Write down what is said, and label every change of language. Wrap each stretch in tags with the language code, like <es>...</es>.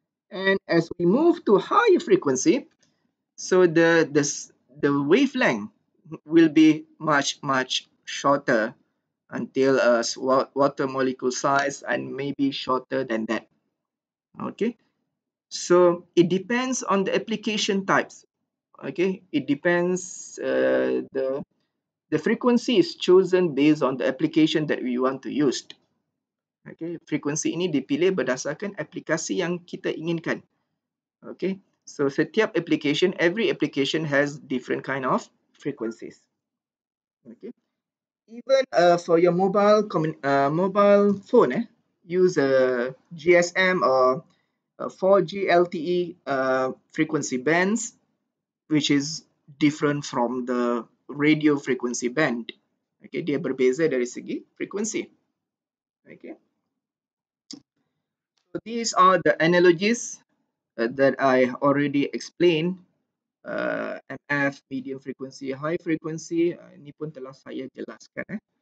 <en>And as we move to higher frequency, so the wavelength will be much, much shorter until a water molecule size and maybe shorter than that. Okay. So it depends on the application types. Okay. It depends the frequency is chosen based on the application that we want to use.</en> <ms>Okay, frekuensi ini dipilih berdasarkan aplikasi yang kita inginkan.</ms> <en>Okay, so</en> <ms>setiap</ms> <en>application, every application has different kind of frequencies. Okay, even for your mobile phone, use a GSM or a 4G LTE frequency bands, which is different from the radio frequency band.</en> <ms>Okay, dia berbeza dari segi frekuensi. Okay.</ms> <en>So these are the analogies that I already explained. MF, medium frequency, high frequency.</en> <ms>Ini pun telah saya jelaskan.</ms>